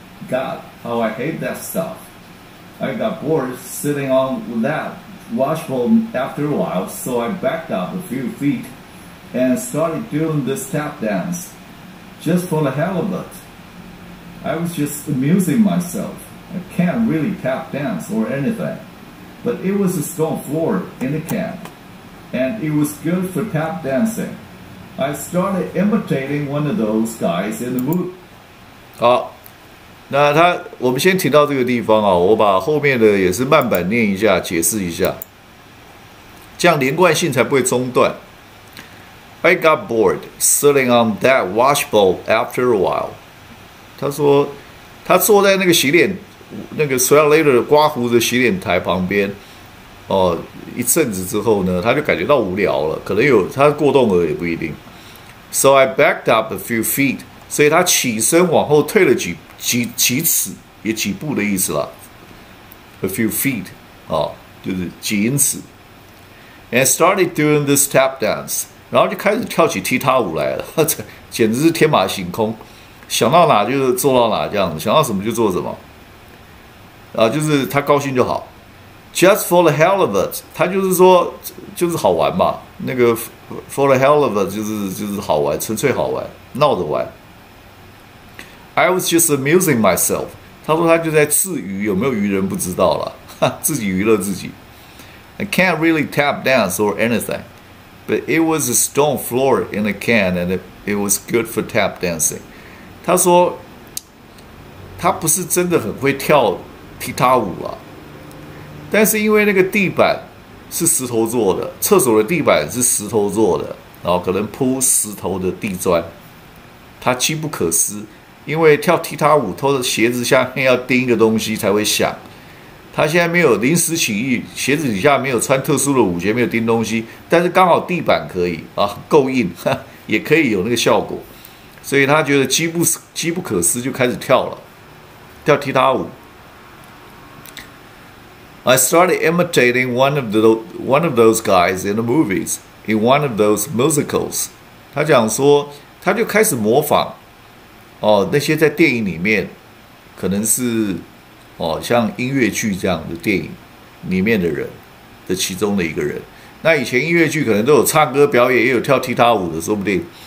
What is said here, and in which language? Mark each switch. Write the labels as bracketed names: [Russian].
[English] God, how I hate that stuff. I got bored sitting on that watchful after a while, so I backed up a few feet and started doing this tap dance just for the hell of it. I was just amusing myself. I can't really tap dance or anything. But it was a stone floor in the camp, and it was good for tap dancing. I started imitating one of those guys in the movie. [Chinese] 好，那他，我们先停到这个地方啊，我把后面的也是慢板念一下，解释一下，这样连贯性才不会中断。 [English] I got bored sitting on that washbowl after a while. [Chinese] 他说，他坐在那个洗脸，那个 Swellator 刮胡的洗脸台旁边，哦，一阵子之后呢，他就感觉到无聊了，可能有他过动了也不一定。 [English] So I backed up a few feet. [Chinese] 所以他起身往后退了几尺，也几步的意思了。 [English] A few feet, [Chinese] 哦，就是几英尺。 [English] And started doing this tap dance. [Chinese] 然后就开始跳起踢踏舞来了，简直是天马行空，想到哪就做到哪，这样想到什么就做什么，啊，就是他高兴就好 ， [English] just for the hell of it， [Chinese] 他就是说就是好玩嘛，那个 [English] for the hell of it [Chinese] 就是好玩，纯粹好玩，闹着玩。 [English] I was just amusing myself， [Chinese] 他说他就在自娱，有没有娱人不知道了，自己娱乐自己。 [English] I can't really tap dance or anything。 But it was a stone floor in a can, and it was good for tap dancing. [Chinese] 他说，他不是真的很会跳踢踏舞啊，但是因为那个地板是石头做的，厕所的地板是石头做的，然后可能铺石头的地砖，他机不可失。因为跳踢踏舞，拖着鞋子下面要钉一个东西才会响。他现在没有临时起意，鞋子底下没有穿特殊的舞鞋，没有钉东西，但是刚好地板可以啊，够硬，也可以有那个效果，所以他觉得机不可失，就开始跳了，跳踢踏舞。 [English] I started imitating one of those guys in the movies in one of those musicals. [Chinese] 他讲说，他就开始模仿哦，那些在电影里面可能是。哦，像音乐剧这样的电影里面的人的其中的一个人，那以前音乐剧可能都有唱歌表演，也有跳踢踏舞的，说不定。